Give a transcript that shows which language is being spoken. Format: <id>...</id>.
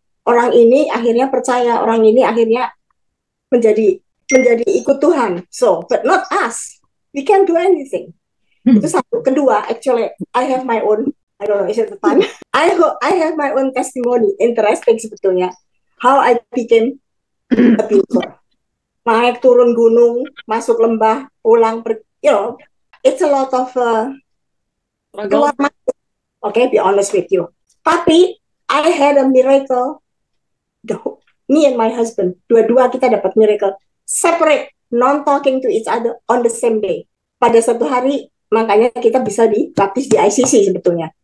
<id>Orang ini akhirnya percaya, orang ini akhirnya menjadi ikut Tuhan.</id> <en>So, but not us. We can't do anything.</en> <id>Itu satu.</id> <en>Kedua, actually, I have my own, I don't know, is it the time? I have my own testimony, interesting sebetulnya, how I became a believer.</en> <id>Naik turun gunung, masuk lembah, pulang,</id> <en>it's a lot of</en> <id>keluar masuk.</id> <en>Okay, be honest with you. Tapi I had a miracle. Me and my husband,</en> <id>dua-dua kita dapat</id> <en>miracle. Separate, non talking to each other on the same day.</en> <id>Pada satu hari, makanya kita bisa dibaptis di ICC sebetulnya.</id>